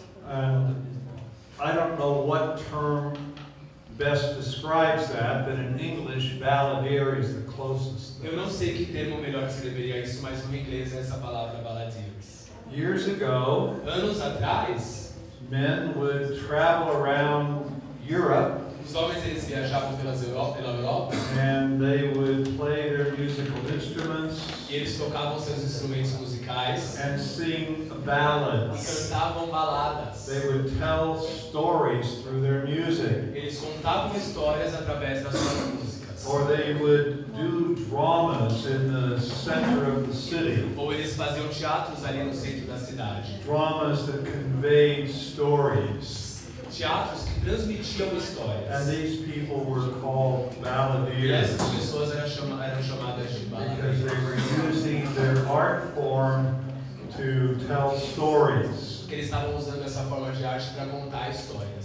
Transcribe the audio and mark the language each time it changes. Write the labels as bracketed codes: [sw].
[en] And I don't know what term best describes that, but in English, baladeiro is the closest thing. [pt] Eu não sei que termo melhor descreveria isso, mas no inglês é essa palavra baladeiros. [en] Years ago, [pt] anos atrás, [en] men would travel around Europe. [pt] Os homens eles viajavam pela Europa. [en] And they would play their musical instruments. [pt] E eles tocavam seus instrumentos musicais. [en] And sing ballads. [pt] E cantavam baladas. [en] They would tell stories through their music. [pt] Eles contavam histórias através das suas músicas. [en] Or they would do dramas in the center of the city. [pt] Ou eles faziam teatros ali no centro da cidade. [en] Dramas that conveyed stories. [pt] Teatros que transmitiam histórias. [en] And these people were called baladeiros. [pt] E essas pessoas eram chamadas de baladeiros. [en] Because they were using their art form to tell stories. [pt] Porque eles estavam usando essa forma de arte para contar histórias.